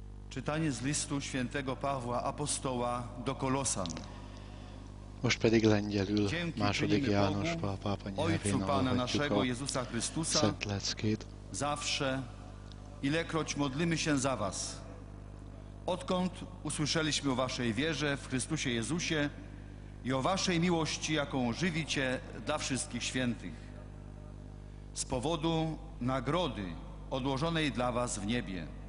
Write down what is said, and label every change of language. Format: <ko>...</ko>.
<pl>Czytanie z listu świętego Pawła apostoła do Kolosan.</pl> <hu>Most pedig lengyelül második János Pál pápa nyelvén olvasjuk a szent leckét.</hu> <pl>Zawsze, ilekroć modlimy się za was, odkąd usłyszeliśmy o waszej wierze w Chrystusie Jezusie i o waszej miłości, jaką żywicie dla wszystkich świętych, z powodu nagrody odłożonej dla was w niebie.</pl>